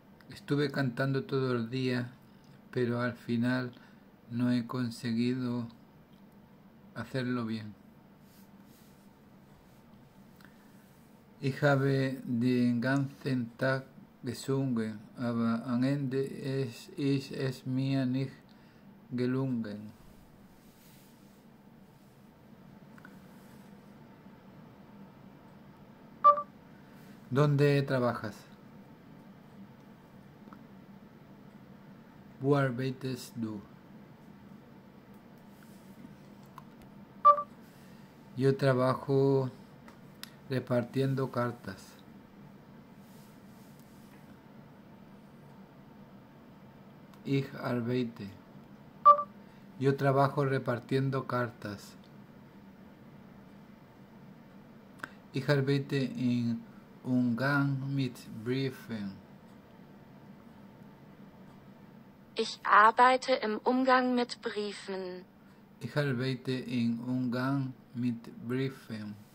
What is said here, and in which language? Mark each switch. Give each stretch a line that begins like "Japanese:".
Spanish: Estuve cantando todo el día, pero al final no he conseguido hacerlo bien.
German: Ich habe den ganzen Tag gesungen, aber am Ende ist es mir nicht gelungen.
Spanish: ¿Dónde trabajas?
German: ¿Wo arbeitest du?
Spanish: Yo trabajo repartiendo cartas.
German: Ich arbeite.
Spanish: Yo trabajo repartiendo cartas.
German: Ich arbeite in un gang mit Briefen. Ich arbeite im Umgang mit Briefen. Ich arbeite in Umgang mit Briefen.